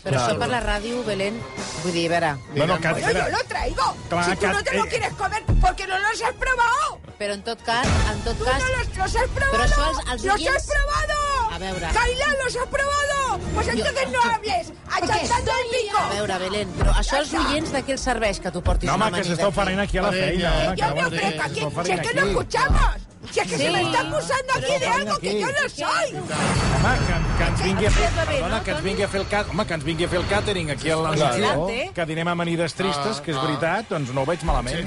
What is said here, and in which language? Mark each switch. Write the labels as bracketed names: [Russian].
[Spanish] Pero eso para la ràdio, Belén. [Catalan] Vull dir, [Spanish] Yo lo traigo. [Catalan] Clar, [Spanish] si tu no te lo quieres comer, porque no los has probado. [Catalan] Pero en tot cas... [Spanish] Tu no los has probado. [Catalan] Però això els [Spanish] ¡Los has probado! [Catalan] A veure... [Spanish] ¡Kaila, los has probado! Pues entonces no hables. Achantando el pico. [Catalan] A veure, Belén, però això els oients de què els serveix que tu portis una manita? No, home, que s'està oferint aquí a la feina. [Spanish] Yo me ofrezco aquí. Si es que no escuchamos. Si es que se me está acusando aquí de algo que yo no soy. [Catalan] Home, que ens vingui a fer el càtering aquí a l'Anzio, que dinem amanides tristes, que és veritat, doncs no ho veig malament.